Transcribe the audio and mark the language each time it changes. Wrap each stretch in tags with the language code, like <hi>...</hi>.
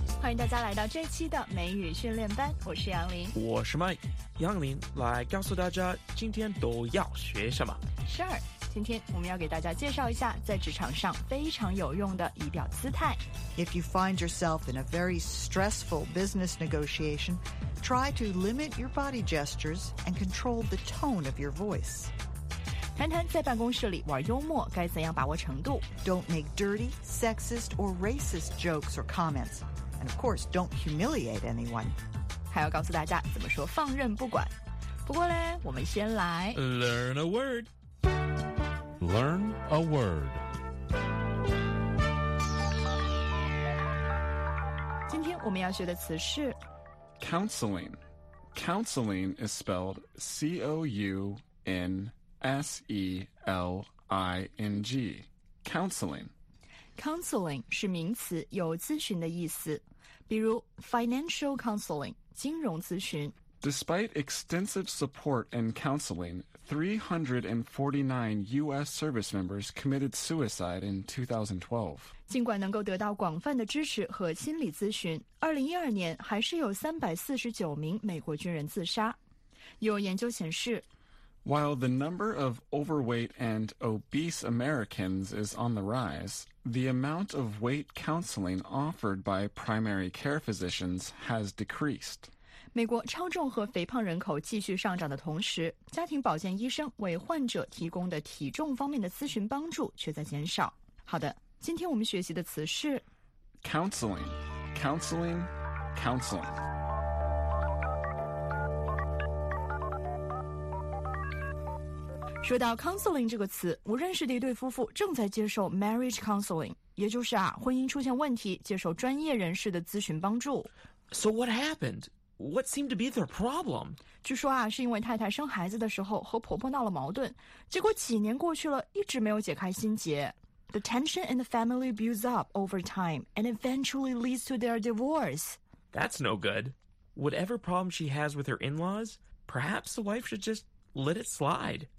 <zh>迎大家来到这期的美语训练班，我是杨林，我是 Mike。杨林来告诉大家今天都要学什么。是，今天我们要给大家介绍一下在职场上非常有用的仪表姿态。</zh> <en>If you find yourself in a very stressful business negotiation, try to limit your body gestures and control the tone of your voice.</en> <zh>谈谈在办公室里玩幽默该怎样把握程度。</zh> <en>Don't make dirty, sexist, or racist jokes or comments. And of course, don't humiliate anyone.</en> <zh>还要告诉大家怎么说放任不管。不过呢，我们先来</zh> <en>Learn a word. Learn a word.</en> <zh>今天我们要学的词是</zh> <en>Counseling. Counseling is spelled counseling. Counseling.</en> <zh>Counseling 是名词，有咨询的意思。比如</zh> <en>financial counseling,</en> <zh>金融咨询。</zh> <en>Despite extensive support and counseling, 349 U.S. service members committed suicide in 2012.</en> <zh>尽管能够得到广泛的支持和心理咨询，2012年还是有349名美国军人自杀。有研究显示，</zh> <en>While the number of overweight and obese Americans is on the rise, the amount of weight counseling offered by primary care physicians has decreased.</en> <zh>美国超重和肥胖人口继续上涨的同时，家庭保健医生为患者提供的体重方面的咨询帮助却在减少。好的，今天我们学习的词是</zh> <en>counseling, counseling, counseling.</en> <zh>说到 counseling 这个词，我认识的一对夫妇正在接受</zh> <en>marriage counseling，</en> <zh>也就是啊，婚姻出现问题，接受专业人士的咨询帮助。</zh> <en>So what happened? What seemed to be their problem?</en> <zh>据说啊，是因为太太生孩子的时候和婆婆闹了矛盾，结果几年过去了，一直没有解开心结。</zh> <en>The tension in the family builds up over time and eventually leads to their divorce. That's no good. Whatever problem she has with her in-laws, perhaps the wife should just let it slide.</en>